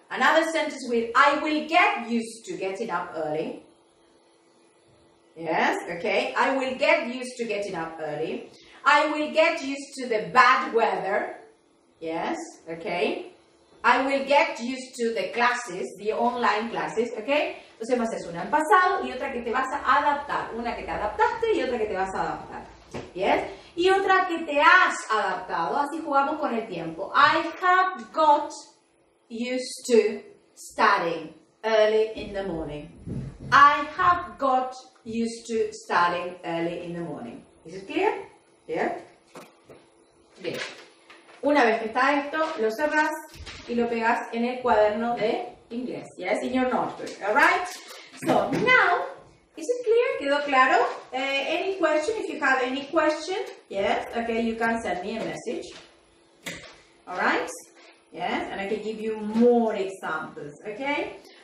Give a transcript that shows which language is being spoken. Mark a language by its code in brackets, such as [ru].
[en] Another sentence with I will get used to getting up early. Yes, okay. I will get used to getting up early. I will get used to the bad weather. Yes, okay. I will get used to the classes, the online classes, okay. [es] Entonces vas a hacer una en pasado y otra que te vas a adaptar. Una que te adaptaste y otra que te vas a adaptar. Yes. Y otra que te has adaptado. Así jugamos con el tiempo. [en] I have got used to studying early in the morning. I have got used to studying early in the morning. Is it clear? Yeah? Bien. [es] Una vez que está esto, lo cerras y lo pegas en el cuaderno de inglés. [en] Yes, in your notebook. Alright? So, now, is it clear? [es] ¿Quedó claro? [en] Any question, if you have any question, yes, okay, you can send me a message. Alright? Yes, and I can give you more examples, okay?